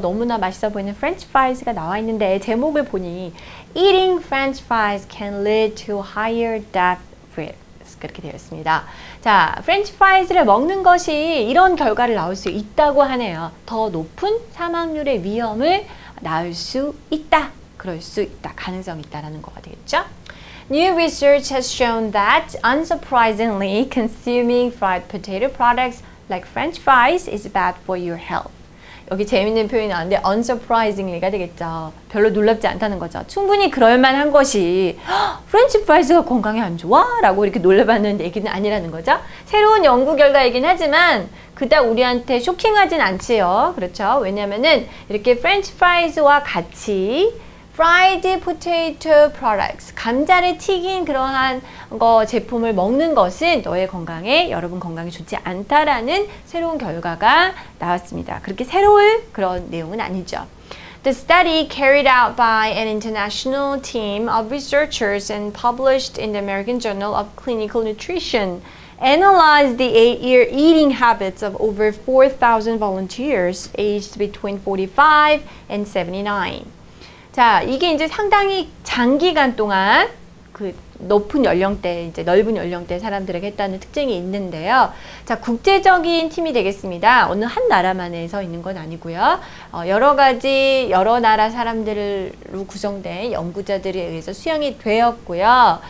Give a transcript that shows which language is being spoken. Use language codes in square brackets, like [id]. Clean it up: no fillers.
[ko] 너무나 맛있어 보이는 French fries가 나와 있는데 제목을 보니 [en] Eating French fries can lead to higher death risk. [ko] 그렇게 되었습니다. 자, French fries를 먹는 것이 이런 결과를 낳을 수 있다고 하네요. 더 높은 사망률의 위험을 낳을 수 있다. 그럴 수 있다. 가능성이 있다라는 거가 되겠죠? [en] New research has shown that, unsurprisingly, consuming fried potato products like French fries is bad for your health. [ko] 여기 재밌는 표현이 나왔는데 unsurprisingly가 되겠죠. 별로 놀랍지 않다는 거죠. 충분히 그럴만한 것이 French fries가 건강에 안 좋아? 라고 이렇게 놀라봤는 얘기는 아니라는 거죠. 새로운 연구 결과이긴 하지만 그다 우리한테 쇼킹하진 않지요. 그렇죠? 왜냐면은 이렇게 French fries와 같이 Fried potato products, 감자를 튀긴 그러한 거 제품을 먹는 것은 너의 건강에, 여러분 건강에 좋지 않다라는 새로운 결과가 나왔습니다. 그렇게 새로운 그런 내용은 아니죠. [en] The study carried out by an international team of researchers and published in the American Journal of Clinical Nutrition analyzed the 8-year eating habits of over 4,000 volunteers aged between 45 and 79. [ko] 자, 이게 이제 상당히 장기간 동안 그 높은 연령대, 이제 넓은 연령대 사람들에게 했다는 특징이 있는데요. 자, 국제적인 팀이 되겠습니다. 어느 한 나라만에서 있는 건 아니고요. 여러 가지 여러 나라 사람들로 구성된 연구자들에 의해서 수용이 되었고요.